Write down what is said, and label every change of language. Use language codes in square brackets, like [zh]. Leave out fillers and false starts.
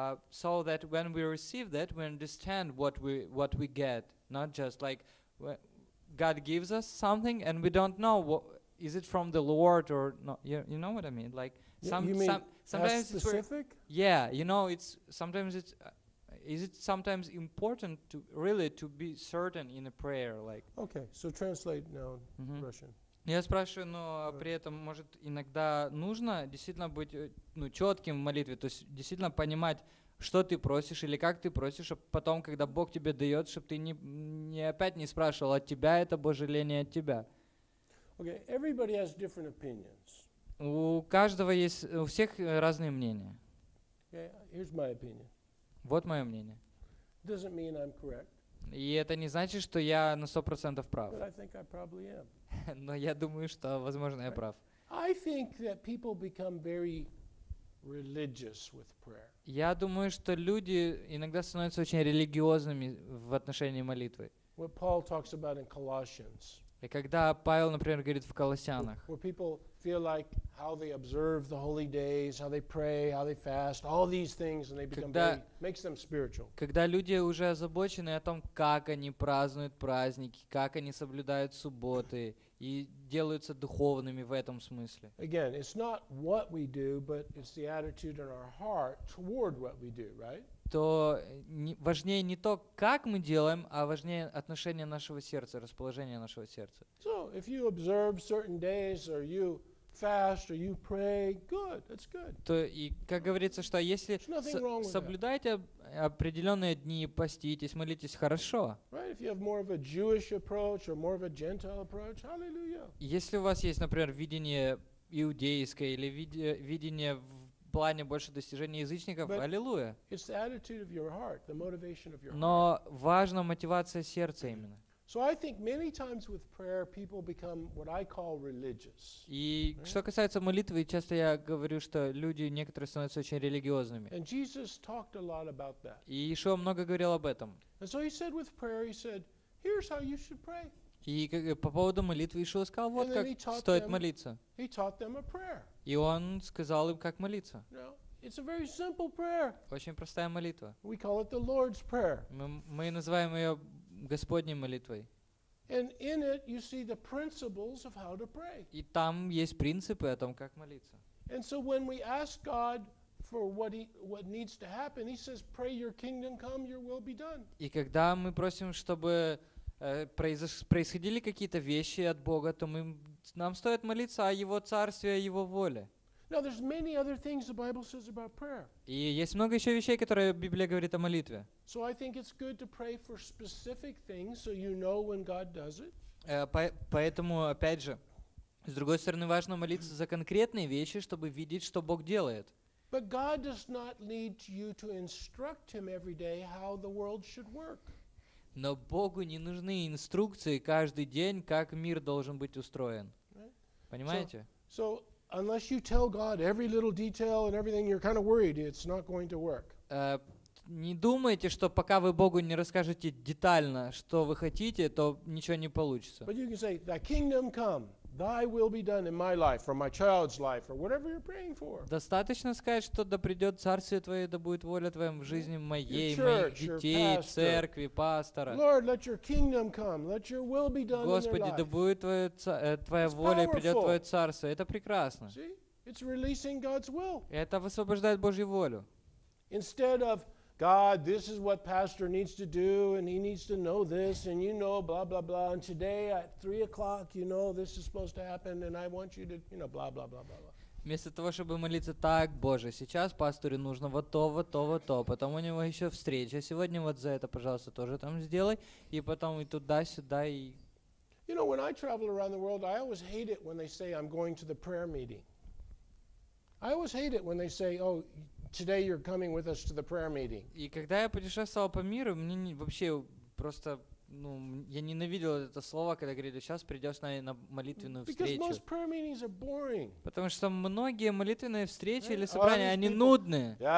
[en] So that when we receive that, we understand what we get, not just like God gives us something and we don't know what is it from the Lord or not. You know what I mean? Like sometimes it's specific. Yeah, you know, it's sometimes is it sometimes important to really to be certain in a prayer? Like okay, so translate now mm-hmm. Russian. [ru] Я спрашиваю, но при этом, может, иногда нужно действительно быть ну, четким в молитве, то есть действительно понимать, что ты просишь или как ты просишь, а потом, когда Бог тебе дает, чтобы ты не опять не спрашивал от тебя, это божеление от тебя. [en] Okay, everybody has different opinions. [ru] У каждого есть, у всех разные мнения. [en] Okay, here's my opinion. [ru] Вот мое мнение. [en] Doesn't mean I'm correct. [ru] И это не значит, что я на 100% прав. [en] But I think I probably am. [ru] Но я думаю, что, возможно, я прав. [en] I think that people become very religious with prayer. [ru] Я думаю, что люди иногда становятся очень религиозными в отношении молитвы. [en] What Paul talks about in Colossians. [ru] И когда Павел, например, говорит в Колоссянах. [en] Where people feel like how they observe the holy days, how they pray, how they fast, all these things, and they become very, makes them spiritual. [ru] Когда люди уже озабочены о том, как они празднуют праздники, как они соблюдают субботы и делаются духовными в этом смысле. [en] Again, it's not what we do, but it's the attitude in our heart toward what we do, right? [ru] То важнее не то, как мы делаем, а важнее отношение нашего сердца, расположение нашего сердца. [en] So, if you observe certain days, or you fast, or you pray, good, that's good. [ru] То и как говорится, что если соблюдаете определенные дни, поститесь, молитесь, хорошо. [en] Right, if you have more of a Jewish approach or more of a Gentile approach, hallelujah. [ru] Если у вас есть, например, видение иудейское или видение в плане больше достижения язычников, [en] but [ru] аллилуйя. [en] It's the attitude of your heart, the motivation of your [ru] Но [en] heart. [ru] Важна мотивация сердца именно. [en] So I think many times with prayer people become what I call religious. [ru] И что касается молитвы, часто я говорю, что люди некоторые становятся очень религиозными. [en] And Jesus talked a lot about that. [ru] И еще много говорил об этом. [en] And so he said with prayer, he said, here's how you should pray. [ru] И по поводу молитвы Иисус сказал, вот как стоит молиться. [en] He taught them a prayer. [ru] И он сказал им, как молиться. [en] No, it's a very simple prayer. [ru] Очень простая молитва. [en] We call it the Lord's Prayer. [ru] Мы называем ее Господней молитвой. [en] And in it you see the principles of how to pray. [ru] И там есть принципы о том, как молиться. [en] And so when we ask God for what needs to happen, he says, pray your kingdom come, your will be done. [ru] И когда мы просим, чтобы происходили какие-то вещи от Бога, то нам стоит молиться о Его царстве, о Его воле. [en] Now, there's many other things the Bible says about prayer. [ru] И есть много еще вещей, которые Библия говорит о молитве. [en] So I think it's good to pray for specific things so you know when God does it. [ru] Поэтому, опять же, с другой стороны, важно молиться за конкретные вещи, чтобы видеть, что Бог делает. [en] But God does not need you to instruct Him every day how the world should work. [ru] Но Богу не нужны инструкции каждый день, как мир должен быть устроен. [en] Right? [ru] Понимаете? [en] So unless you tell God every little detail and everything, you're kind of worried it's not going to work. [ru] Не думайте, что пока вы Богу не расскажете детально, что вы хотите, то ничего не получится. [en] But you can say, "Thy kingdom come." Thy will be done in my life, or my child's life, or whatever you're praying for. [ru] Достаточно сказать, что да придет царствие твое, да будет воля твоя в жизни моей, моих детей, церкви, пастора. [en] Lord, let your kingdom come. Let your will be done. [ru] Господи, да будет твоя воля, придет твое царство. Это прекрасно. [en] See? It's releasing God's will. [ru] Это высвобождает Божью волю. [en] Instead of God, this is what pastor needs to do, and he needs to know this, and you know, blah, blah, blah, and today at 3:00, you know, this is supposed to happen, and I want you to, you know, blah, blah, blah, blah, blah. [ru] Вместо того, чтобы молиться так, Боже, сейчас пастору нужно вот то, вот то, вот то, потом у него еще встреча сегодня, вот за это, пожалуйста, тоже там сделай, и потом и туда, сюда, и... [en] You know, when I travel around the world, I always hate it when they say, I'm going to the prayer meeting. I always hate it when they say, oh... Today you're coming with us to the prayer meeting. [ru] И когда я путешествовал по миру, мне вообще просто, ну, я ненавидел это слово, когда говорили, сейчас придешь на молитвенную встречу. [en] Because most prayer meetings are boring. [ru] Потому что многие молитвенные встречи или собрания, они нудные.